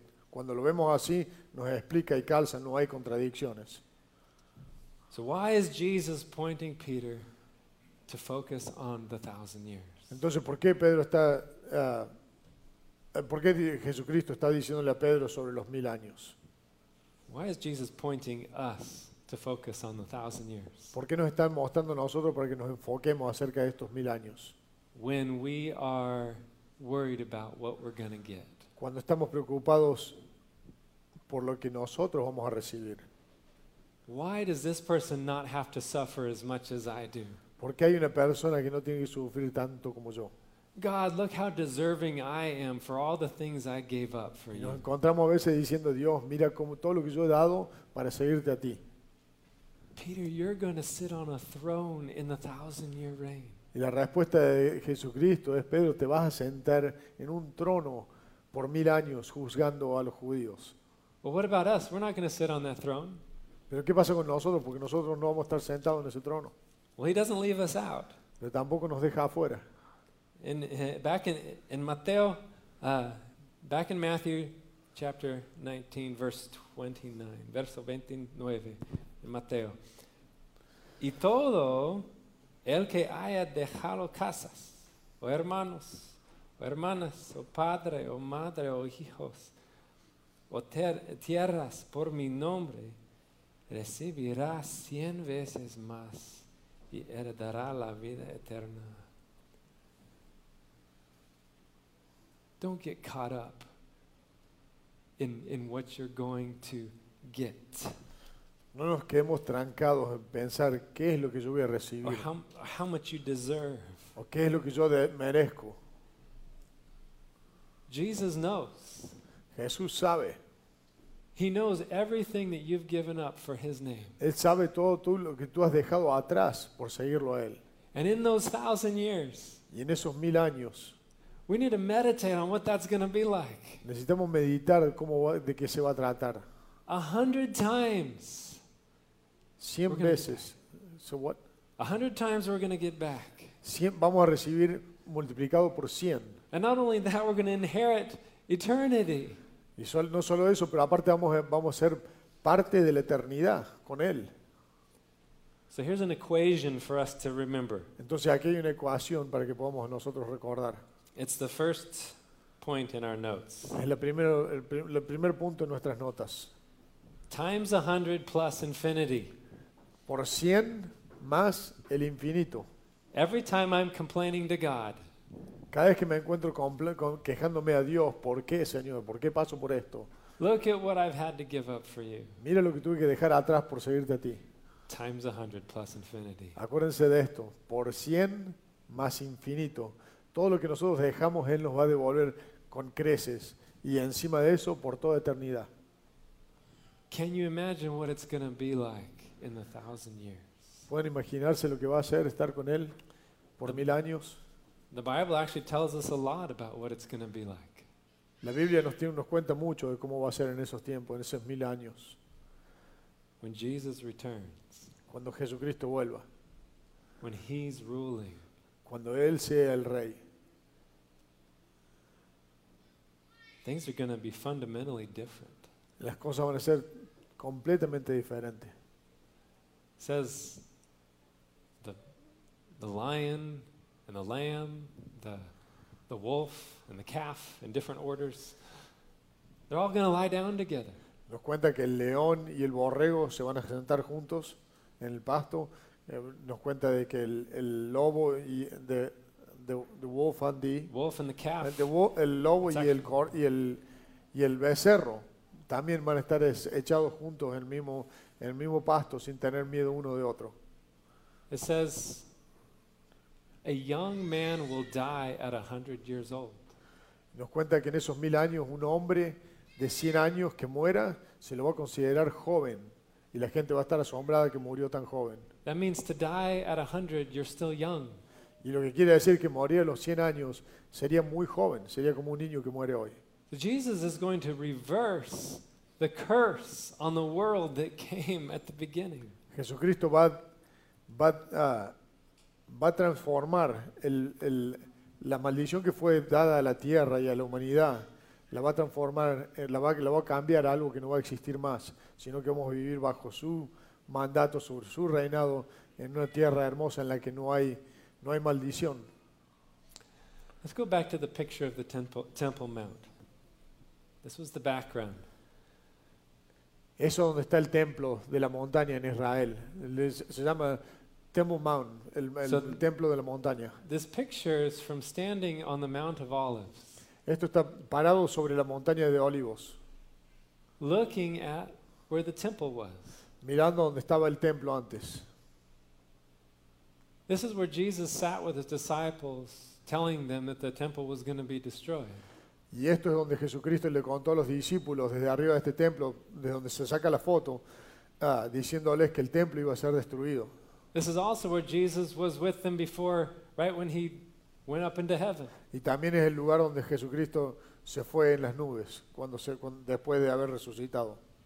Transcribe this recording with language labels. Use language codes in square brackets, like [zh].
[es] Cuando lo vemos así, nos explica y calza, no hay contradicciones. [en] So why is Jesus pointing Peter to focus on the 1,000 years? [es] Entonces, ¿por qué Pedro está ¿por qué Jesucristo está diciéndole a Pedro sobre los 1,000 años? [en] Why is Jesus pointing us to focus on the 1,000 years? [es] ¿Por qué nos está mostrando a nosotros para que nos enfoquemos acerca de estos 1,000 años? [en] When we are worried about what we're going to get. [es] Cuando estamos preocupados por lo que nosotros vamos a recibir. [en] Why does this person not have to suffer as much as I do? [es] ¿Por qué hay una persona que no tiene que sufrir tanto como yo? [en] God, look how deserving I am for all the things I gave up for you. [es] Nos encontramos a veces diciendo, Dios, mira cómo todo lo que yo he dado para seguirte a ti. [en] Peter, you're going to sit on a throne in the 1,000-year reign. [es] Y la respuesta de Jesucristo es, Pedro, te vas a sentar en un trono por 1,000 años juzgando a los judíos. [en] Well, what about us? We're not going to sit on that throne. [es] Pero ¿qué pasa con nosotros? Porque nosotros no vamos a estar sentados en ese trono. [en] Well, he doesn't leave us out. [es] Pero tampoco nos deja afuera. [en] Back in Matthew chapter 19, [es] verso 29, Mateo. Y todo el que haya dejado casas, o hermanos, o hermanas, o padre, o madre, o hijos, o tierras por mi nombre, recibirá 100 veces más y heredará la vida eterna. [en] Don't get caught up in what you're going to get. [es] No nos quedemos trancados en pensar qué es lo que yo voy a recibir. [en] Or how much you deserve. [es] O qué es lo que yo merezco. [en] Jesus knows. [es] Jesús sabe. [en] He knows everything that you've given up for his name. [es] Él sabe todo tú lo que tú has dejado atrás por seguirlo a él. [en] And in those 1,000 years. [es] Y en esos 1,000 años. [en] We need to meditate on what that's going to be like. [es] Necesitamos meditar de qué se va a tratar. [en] 100 times. [es] 100 veces. [en] So what? 100 times we're going to get back. [es] 100, vamos a recibir multiplicado por 100. [en] And not only that, we're going to inherit eternity. [es] Y no solo eso, pero aparte vamos a ser parte de la eternidad con él. [en] So here's an equation for us to remember. [es] Entonces aquí hay una ecuación para que podamos nosotros recordar. [en] It's the first point in our notes. [es] Es el primer punto en nuestras notas. [en] Times 100 plus infinity. [es] Por 100 más el infinito. [en] Every time I'm complaining to God. [es] Cada vez que me encuentro quejándome a Dios, ¿por qué, Señor? ¿Por qué paso por esto? [en] Look at what I've had to give up for you. [es] Mira lo que tuve que dejar atrás por seguirte a ti. [en] Times 100 plus infinity. [es] Acuérdense de esto, por 100 más infinito. Todo lo que nosotros dejamos, Él nos va a devolver con creces Y encima de eso, por toda eternidad. [en] Can you imagine what it's going to be like in 1,000 years? [es] ¿Pueden imaginarse lo que va a ser estar con él por 1,000 años? [en] The Bible actually tells us a lot about what it's going to be like. [es] La Biblia nos cuenta mucho de cómo va a ser en esos tiempos, en esos 1,000 años. [en] When Jesus returns. [es] Cuando Jesucristo vuelva. [en] When he's ruling. [es] Cuando él sea el rey. [en] Things are going to be fundamentally different. [es] Las cosas van a ser completamente diferentes. [en] Says the lion and the lamb, the wolf and the calf in different orders. They're all going to lie down together. [es] Nos cuenta que el león y el borrego se van a sentar juntos en el pasto. Nos cuenta de que el lobo y [en] the wolf and the wolf and the calf. [es] El lobo y el becerro también van a estar echados juntos en el mismo pasto sin tener miedo uno de otro. [en] It says a young man will die at 100 years old. [es] Nos cuenta que en esos 1,000 años un hombre de 100 años que muera se lo va a considerar joven y la gente va a estar asombrada que murió tan joven. [en] That means to die at 100 you're still young. [es] Y lo que quiere decir que moriría a los 100 años sería muy joven, sería como un niño que muere hoy. [en] So Jesus is going to reverse the curse on the world that came at the beginning. [es] Jesucristo va a transformar la maldición que fue dada a la tierra y a la humanidad. La va a transformar, la va a cambiar a algo que no va a existir más, sino que vamos a vivir bajo su mandato, sobre su reinado, en una tierra hermosa en la que no hay maldición. [en] Let's go back to the picture of the Temple Mount. This was the background. [es] Eso donde está el templo de la montaña en Israel. Se llama Temple Mount, el templo de la montaña. [en] This picture is from standing on the Mount of Olives. [es] Esto está parado sobre la montaña de Olivos. [en] Looking at where the temple was. [es] Mirando donde estaba el templo antes. [en] This is where Jesus sat with his disciples, telling them that the temple was going to be destroyed. [es] Y esto es donde Jesucristo le contó a los discípulos desde arriba de este templo, de donde se saca la foto, diciéndoles que el templo iba a ser destruido. [en] This is also where Jesus was with them before, right when he went up into heaven. [es] Y también es el lugar donde Jesucristo se fue en las nubes después de haber resucitado.